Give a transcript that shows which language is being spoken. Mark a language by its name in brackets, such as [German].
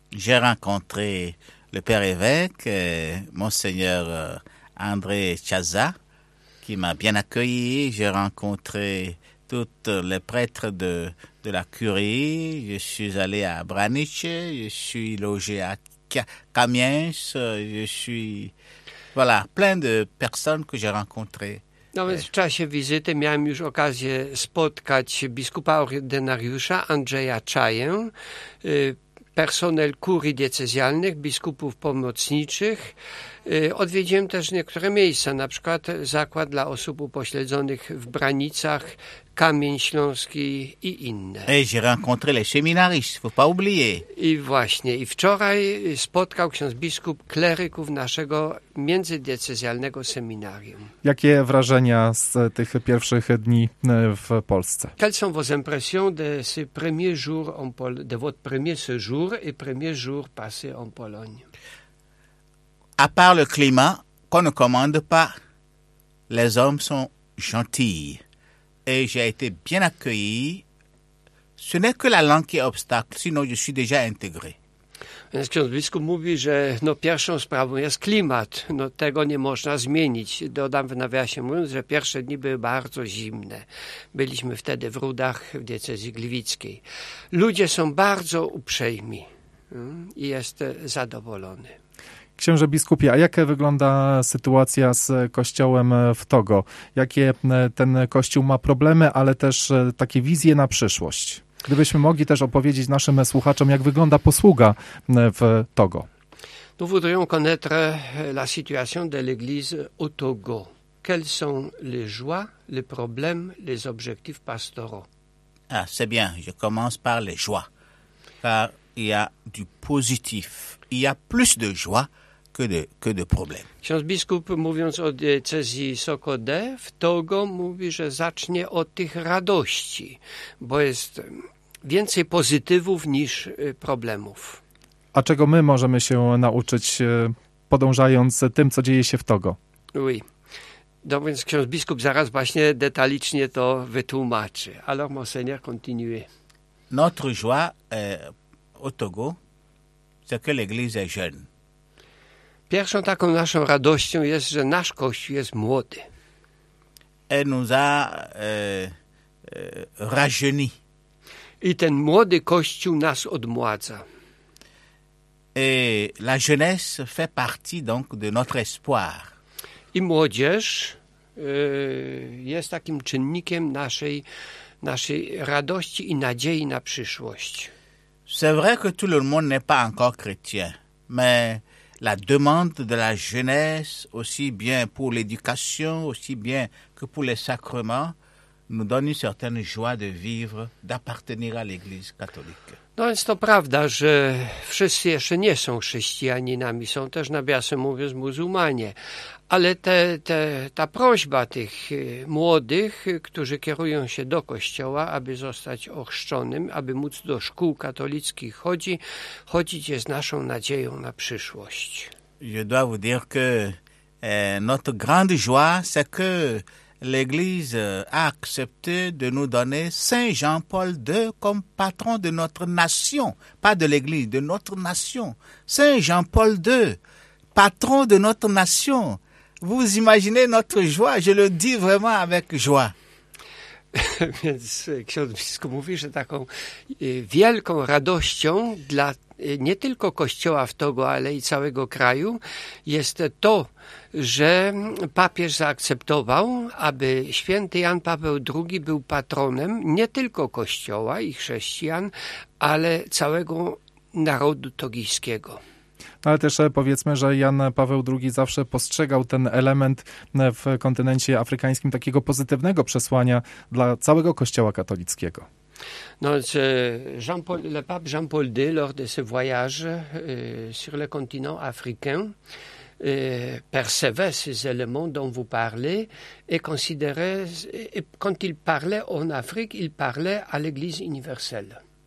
[French] J'ai rencontré le père évêque, monseigneur André Chaza, qui m'a bien accueilli. J'ai rencontré tous les prêtres de la curie. Je suis allé à Braniche, je suis logé à Kamiens, je suis... Voilà, plein de personnes que j'ai rencontrées. [Polish] No więc w czasie wizyty miałem już okazję spotkać biskupa ordynariusza Andrzeja Czaję, personel kurii diecezjalnych, biskupów pomocniczych. Odwiedziłem też niektóre miejsca, na przykład zakład dla osób upośledzonych w Branicach, Kamień Śląski i inne. [French] Et j'ai rencontré les séminaristes, faut pas oublier. [Polish] I właśnie, i wczoraj spotkał ksiądz biskup kleryków naszego międzydiecezjalnego seminarium. Jakie wrażenia z tych pierwszych dni w Polsce? [French] Quelles sont vos impressions de ces premiers jours en Pologne, de votre premier séjour et premier jour passé en Pologne? À part le climat, qu'on ne commande pas, les hommes sont gentils. Et j'ai été bien accueilli. Ce n'est que la langue qui est obstacle, sinon je suis déjà intégré. [Polish] Więc ksiądz biskup mówi, że no pierwszą sprawą jest klimat. No tego nie można zmienić. Dodam w nawiasie mówiąc, że pierwsze dni były bardzo zimne. Byliśmy wtedy w Rudach w diecezji gliwickiej. Ludzie są bardzo uprzejmi i jest zadowolony. Księże biskupie, a jak wygląda sytuacja z kościołem w Togo? Jakie ten kościół ma problemy, ale też takie wizje na przyszłość? Gdybyśmy mogli też opowiedzieć naszym słuchaczom, jak wygląda posługa w Togo. [French] Nous voudrions connaître la situation de l'église au Togo. Quelles sont les joies, les problèmes, les objectifs pastoraux? Ah, c'est bien, je commence par les joies. Car il y a du positif. Il y a plus de joie que de problème. [Polish] Ksiądz biskup, mówiąc o diecezji Sokode w Togo, mówi, że zacznie od tych radości, bo jest więcej pozytywów niż problemów. A czego my możemy się nauczyć, podążając tym, co dzieje się w Togo? [French] Oui. [Polish] No więc ksiądz biskup zaraz właśnie detalicznie to wytłumaczy. [French] Alors, monseigneur, continue. Notre joie au Togo, c'est que l'église est jeune. [Polish] Pierwszą taką naszą radością jest, że nasz Kościół jest młody. [French] Et nous a rajeuni. [Polish] I ten młody Kościół nas odmładza. [French] Et la jeunesse fait partie donc de notre espoir. [Polish] I młodzież jest takim czynnikiem naszej radości i nadziei na przyszłość. [French] C'est vrai que tout le monde n'est pas encore chrétien, mais la demande de la jeunesse, aussi bien pour l'éducation, aussi bien que pour les sacrements, nous donne une certaine joie de vivre, d'appartenir à l'Église catholique. [Polish] No więc to prawda, że wszyscy jeszcze nie są chrześcijaninami, są też, nawiasem mówiąc, muzułmanie. Ale ta prośba tych młodych, którzy kierują się do kościoła, aby zostać ochrzczonym, aby móc do szkół katolickich chodzić jest naszą nadzieją na przyszłość. [French] Je dois vous dire que notre grande joie, c'est que l'Église a accepté de nous donner Saint Jean-Paul II comme patron de notre nation. Pas de l'Église, de notre nation. Saint Jean-Paul II, patron de notre nation. Vous imaginez notre joie, je le dis vraiment avec joie. [Polish] Więc ksiądz biskup mówi, że taką wielką radością dla nie tylko kościoła w Togo, ale i całego kraju jest to, że papież zaakceptował, aby święty Jan Paweł II był patronem nie tylko kościoła i chrześcijan, ale całego narodu togijskiego. Ale też powiedzmy, że Jan Paweł II zawsze postrzegał ten element w kontynencie afrykańskim takiego pozytywnego przesłania dla całego kościoła katolickiego. [French] No, Jean-Paul, le pape Jean-Paul II, lors de ce voyage sur le continent africain, percevait ces éléments dont vous parlez et considérait, et quand il parlait en Afrique, il parlait à l'Église universelle.